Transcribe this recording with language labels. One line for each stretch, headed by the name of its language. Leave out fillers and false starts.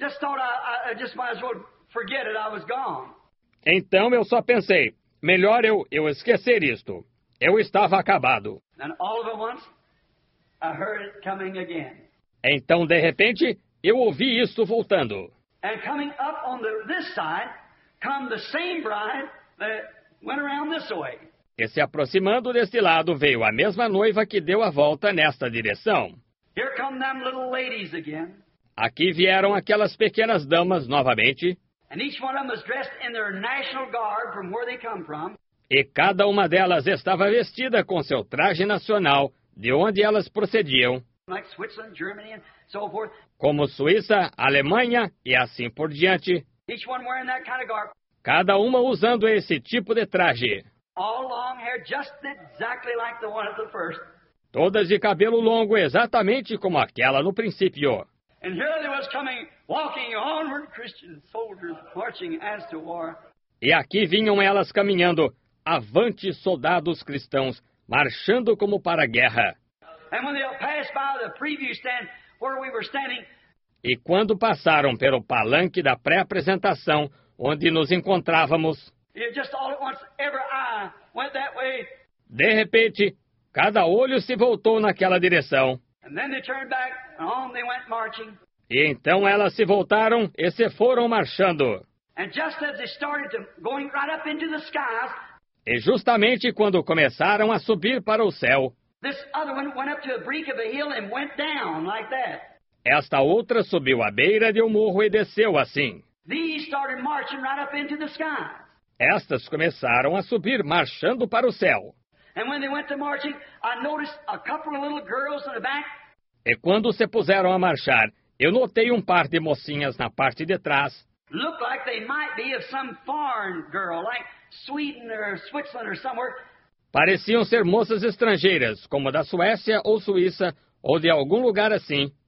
English: I just might as well forget it. I was gone.
Portuguese: Então eu só pensei, melhor eu esquecer isto. Eu estava acabado.
English: And all of a once, I heard it coming again.
Portuguese: Então de repente eu ouvi isto voltando.
English: And coming up on this side, come the same bride that went around this way.
Portuguese: E se aproximando deste lado veio a mesma noiva que deu a volta nesta direção.
English: Here come them little ladies again.
Portuguese: Aqui vieram aquelas pequenas damas novamente.
English: And each one of them was dressed in their national guard from where they come from.
Portuguese: E cada uma delas estava vestida com seu traje nacional, de onde elas procediam.
English: Like Switzerland, Germany, and so forth.
Portuguese: Como Suíça, Alemanha e assim por diante.
English: Each one wearing that kind of garb.
Portuguese: Cada uma usando esse tipo de traje.
English: All long hair, just exactly like the one at the first.
Portuguese: Todas de cabelo longo, exatamente como aquela no princípio.
English: And here they was coming, walking onward, Christian soldiers marching as to war.
Portuguese: E aqui vinham elas caminhando, avante soldados cristãos, marchando como para a guerra.
English: And when they passed by the preview stand where we were standing.
Portuguese: E quando passaram pelo palanque da pré-apresentação, onde nos encontrávamos.
English: It just all at once, every eye went that way.
Portuguese: De repente, cada olho se voltou naquela direção.
English: And then they turned back. And on they went marching.
Portuguese: E então elas se voltaram e se foram marchando.
English: And just as they started to going right up into the sky.
Portuguese: E justamente quando começaram a subir para o céu.
English: This other one went up to the brink of a hill and went down like that.
Portuguese: Esta outra subiu à beira de um morro e desceu assim.
English: These started marching right up into the sky.
Portuguese: Estas começaram a subir marchando para o céu.
English: And when they went to marching, I noticed a couple of little girls in the back.
Portuguese: E quando se puseram a marchar, eu notei um par de mocinhas na parte de trás.
English: Looked like they might be of some foreign girl, like Sweden or Switzerland or somewhere.
Portuguese: Pareciam ser moças estrangeiras, como da Suécia ou Suíça, ou de algum lugar assim.